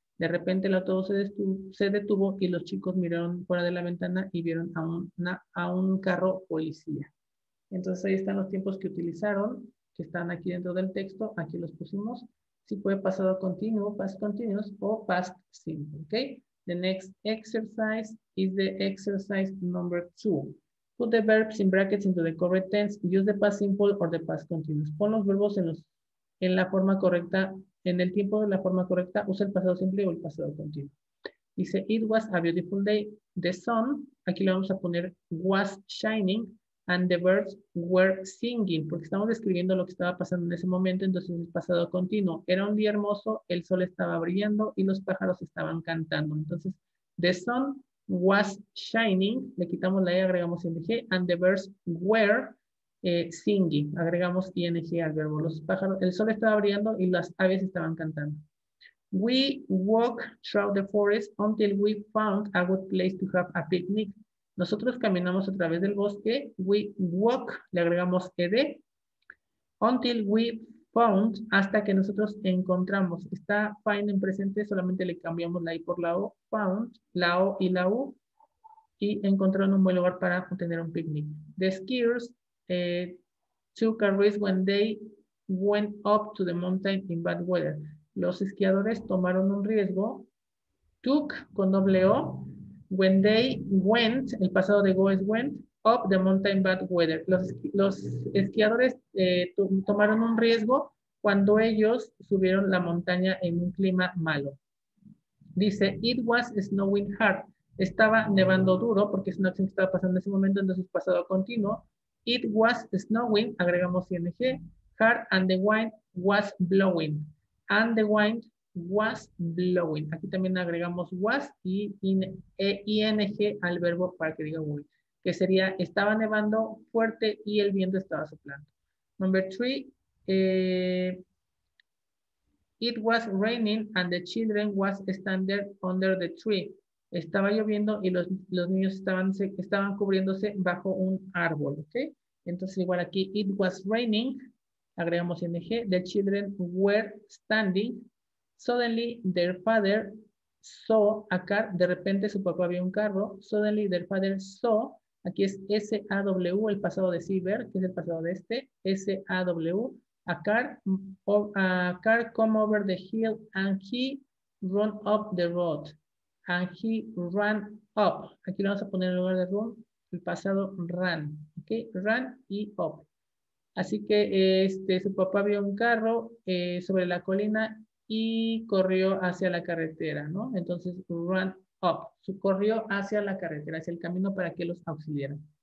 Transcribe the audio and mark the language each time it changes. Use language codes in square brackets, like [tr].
[es] De repente el autobús se detuvo y los chicos miraron fuera de la ventana y vieron a un carro policía. Entonces ahí están los tiempos que utilizaron, que están aquí dentro del texto. Aquí los pusimos. Si fue pasado continuo, past continuous o past simple. [en] Okay? The next exercise is the exercise number 2. Put the verbs in brackets into the correct tense. Use the past simple or the past continuous. [es] Pon los verbos en la forma correcta, en el tiempo de la forma correcta. Usa el pasado simple o el pasado continuo. Dice, [en] it was a beautiful day. The sun, [es] aquí le vamos a poner, [en] was shining. And the birds were singing. [es] Porque estamos describiendo lo que estaba pasando en ese momento. Entonces, el pasado continuo. Era un día hermoso. El sol estaba brillando. Y los pájaros estaban cantando. [en] Entonces, the sun was shining. [es] Le quitamos la E, agregamos ING. [en] And the birds were singing. [es] Agregamos ING al verbo. Los pájaros, el sol estaba brillando y las aves estaban cantando. [en] We walked throughout the forest until we found a good place to have a picnic. [es] Nosotros caminamos a través del bosque. [en] We walk, [es] le agregamos ed. [en] Until we found, [es] hasta que nosotros encontramos. Está find en presente, solamente le cambiamos la i por la o. Found, la o y la u. Y encontraron un buen lugar para tener un picnic. [en] The skiers took a risk when they went up to the mountain in bad weather. [es] Los esquiadores tomaron un riesgo. Took, con doble o. [en] When they went, [es] el pasado de go es went, [en] up the mountain bad weather. [es] Los esquiadores tomaron un riesgo cuando ellos subieron la montaña en un clima malo. Dice, [en] it was snowing hard. [es] Estaba nevando duro porque es una acción que estaba pasando en ese momento, entonces pasado continuo. [en] It was snowing, [es] agregamos ING, [en] hard and the wind was blowing. And the wind was blowing. [es] Aquí también agregamos was y ing al verbo para que diga will, que sería estaba nevando fuerte y el viento estaba soplando. [en] Number three, it was raining and the children was standing under the tree. [es] Estaba lloviendo y los niños estaban cubriéndose bajo un árbol. [en] ¿Okay? [es] Entonces igual aquí, [en] it was raining, [es] agregamos ing, [en] the children were standing. Suddenly, their father saw a car. De repente, su papá vio un carro. Suddenly, their father saw. [es] Aquí es S-A-W, el pasado de sí, ver, que es el pasado de este. [en] S-A-W. A car come over the hill and he run up the road. And he ran up. [es] Aquí lo vamos a poner en lugar de run. El pasado ran. Okay, run y up. Así que su papá vio un carro sobre la colina. Y corrió hacia la carretera, ¿no? Entonces, [en] run up. [es] Corrió hacia la carretera, hacia el camino para que los auxiliaran.